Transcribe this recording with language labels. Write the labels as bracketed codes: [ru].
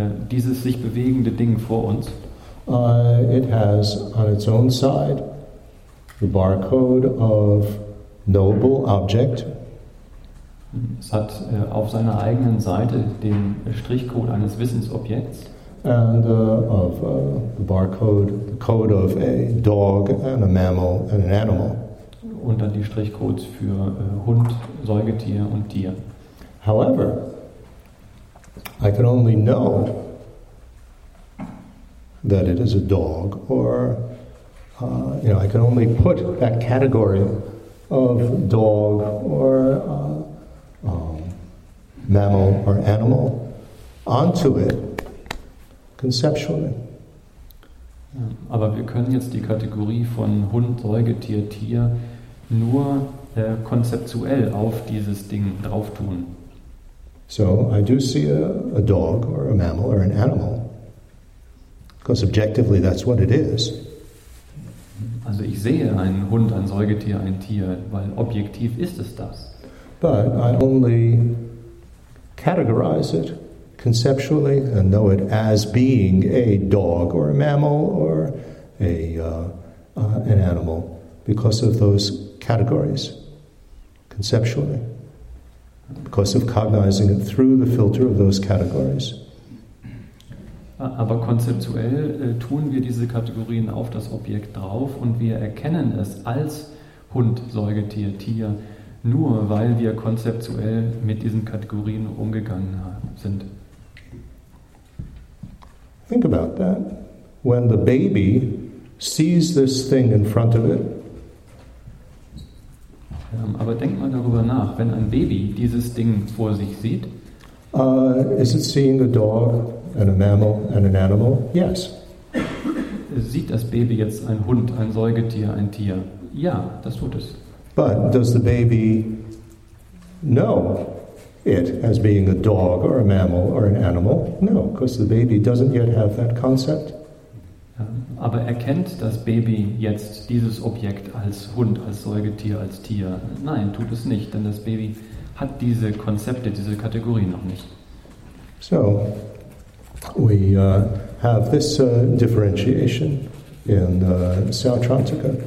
[de] dieses sich bewegende Ding vor uns, [en] it has on its own side the barcode of noble object. [de] Es hat auf seiner eigenen Seite den Strichcode eines Wissensobjekts. [en] And of the barcode, the code of a dog and a mammal and an animal. [de] Und dann die Strichcodes für Hund, Säugetier und Tier. [en] However, I can only know that it is a dog, or you know, I can only put that category of dog or mammal or animal onto it conceptually. [de] Aber wir können jetzt die Kategorie von Hund, Säugetier, Tier nur konzeptuell auf dieses Ding drauf tun. [en] So I do see a dog or a mammal or an animal, because objectively that's what it is. [de] Also ich sehe einen Hund, ein Säugetier, ein Tier, weil objektiv ist es das. [en] But I only categorize it conceptually and know it as being a dog or a mammal or a an animal because of those categories conceptually, because of cognizing it through the filter of those categories. [de] Aber konzeptuell tun wir diese Kategorien auf das Objekt drauf und wir erkennen es als Hund, Säugetier, Tier, nur weil wir konzeptuell mit diesen Kategorien umgegangen sind. [en] Think about that. When the baby sees this thing in front of it. [de] Aber denk mal darüber nach, wenn ein Baby dieses Ding vor sich sieht. [en] Is it seeing a dog and a mammal and an animal? Yes. [de] Sieht das Baby jetzt ein Hund, ein Säugetier, ein Tier? Ja, das tut es. [en] But does the baby know it as being a dog or a mammal or an animal? No, because the baby doesn't yet have that concept. [de] Aber erkennt das Baby jetzt dieses Objekt als Hund, als Säugetier, als Tier? Nein, tut es nicht, denn das Baby hat diese Konzepte, diese Kategorien noch nicht. [en] So, we have this differentiation in Sautrantika.